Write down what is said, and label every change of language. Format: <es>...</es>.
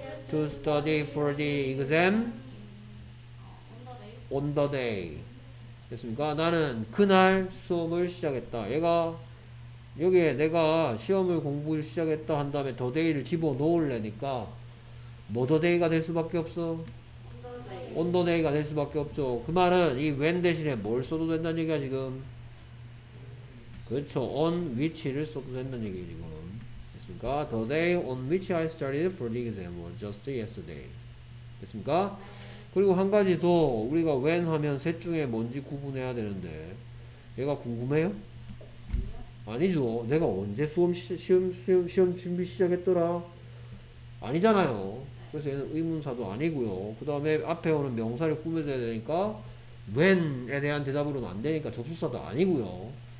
<en>To study for the exam on the day.</en> <ko>됐습니까? 나는 그날 수업을 시작했다. 얘가 여기에 내가 시험을 공부를 시작했다 한 다음에 the day를 집어넣으려니까 뭐 the day가 될 수밖에 없어?</ko> <en>on the</en> <ko>day가 될 수밖에 없죠. 그 말은 이 when 대신에 뭘 써도 된다는 얘기야 지금. 그렇죠. on which를 써도 된다는 얘기 지금. 됐습니까?</ko> <en>the day on which I started for the exam was just yesterday.</en> <ko>됐습니까? 그리고 한 가지 더 우리가 when 하면 셋 중에 뭔지 구분해야 되는데 얘가 궁금해요? 아니죠. 내가 언제 시험 준비 시작했더라? 아니잖아요. 그래서 얘는 의문사도 아니고요. 그 다음에 앞에 오는 명사를 꾸며줘야 되니까 when에 대한 대답으로는 안 되니까 접속사도 아니고요.</ko>